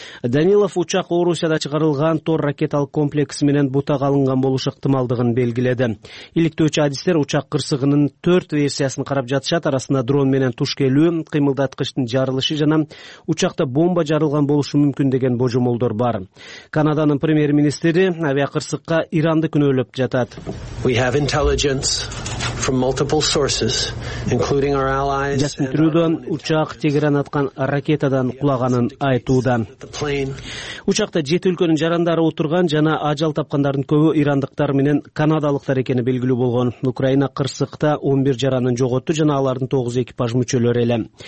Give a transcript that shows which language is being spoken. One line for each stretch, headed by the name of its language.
Kyrgyz: Данилов учак Орусияда чыгарылган Тор ракеталык комплекси менен бутак алынган болушу ыктымалдыгын белгиледи. Иликтөөчү адистер учак кырсыгынын 4 версиясын карап жатышат, арасында дрон менен туш келүү, кыймылдаткычтын жарылышы жана учакта бомба жарылган болушу мүмкүн деген божомолдор бар. Канаданын премьер-министри авиакырсыкка Иранды күнөөлөп жатат.
English: We have intelligence from multiple sources including our allies.
Kyrgyz: Жасмин Трюдо учак Тегеран аткан ракетадан кулаганын айтууда. Учакта 7 өлкөнүн жарандары отурган жана ажал тапкандардын көбү ирандыктар менен канадалыктар экени белгилүү болгон. Украина кырсыкта 11 жаранын жоготту жана алардын 9 экипаж мүчөлөрү эле.